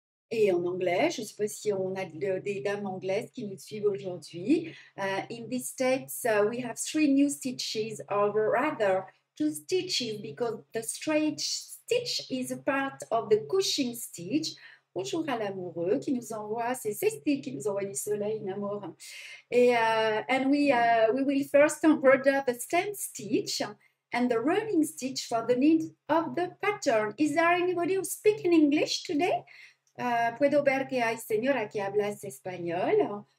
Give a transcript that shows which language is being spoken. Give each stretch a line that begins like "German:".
French: Et en anglais, je ne sais pas si on a des dames anglaises qui nous suivent aujourd'hui.
English: In these states, we have 3 new stitches, or rather 2 stitches, because the straight stitch is a part of the Cushing stitch.
French: Bonjour à l'amoureux qui nous envoie, c'est Cécile qui nous envoie du soleil, l'amour.
English: And we will first embroider the stem stitch and the running stitch for the need of the pattern. Is there anybody who speaks in English today?
Spanish: Puedo ver que hay señora que habla español.